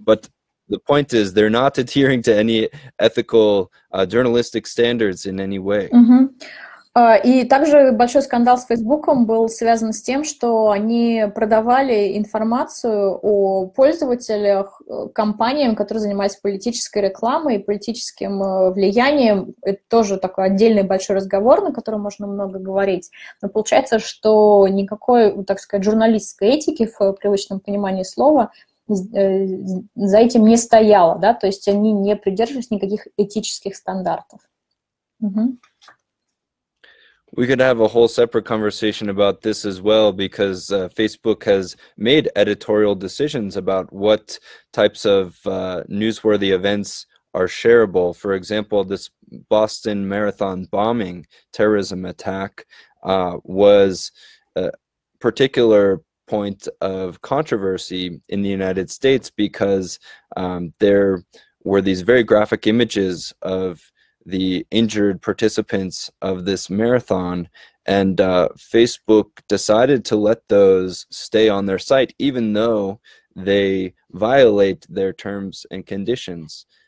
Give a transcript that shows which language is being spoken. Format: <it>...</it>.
<en>But the point is they're not adhering to any ethical journalistic standards in any way. Mm-hmm.</en> <ru>И также большой скандал с Фейсбуком был связан с тем, что они продавали информацию о пользователях компаниям, которые занимались политической рекламой и политическим влиянием. Это тоже такой отдельный большой разговор, на котором можно много говорить. Но получается, что никакой, так сказать, журналистской этики в привычном понимании слова за этим не стояло, да? То есть они не придерживались никаких этических стандартов. Угу.</ru> <en>We could have a whole separate conversation about this as well, because Facebook has made editorial decisions about what types of newsworthy events are shareable. For example, this Boston Marathon bombing terrorism attack was a particular point of controversy in the United States because there were these very graphic images of the injured participants of this marathon, and Facebook decided to let those stay on their site, even though they violate their terms and conditions.</en>